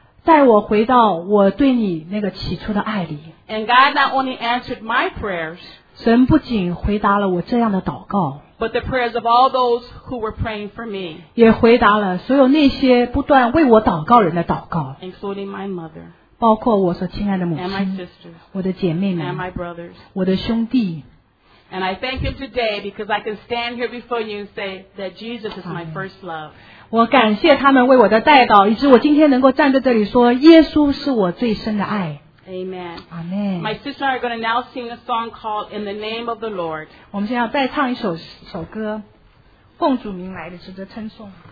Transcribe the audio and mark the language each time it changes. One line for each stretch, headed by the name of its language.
Chinese: 带我回到我对你那个起初的爱里。
English: And God not only answered my prayers.
Chinese: 神不仅回答了我这样的祷告。
English: But the prayers of all those who were praying for me.
Chinese: 也回答了所有那些不断为我祷告人的祷告。
English: Including my mother.
Chinese: 包括我所亲爱的母亲。
English: And my sisters.
Chinese: 我的姐妹们。
English: And my brothers.
Chinese: 我的兄弟。
English: And I thank Him today because I can stand here before you and say that Jesus is my first love.
Chinese: 我感谢他们为我的带导，以致我今天能够站在这里说，耶稣是我最深的爱。
English: Amen. Amen. My sister and I are going to now sing a song called "In the Name of the Lord."
Chinese: 我们现在要再唱一首歌，奉主名来的值得称颂。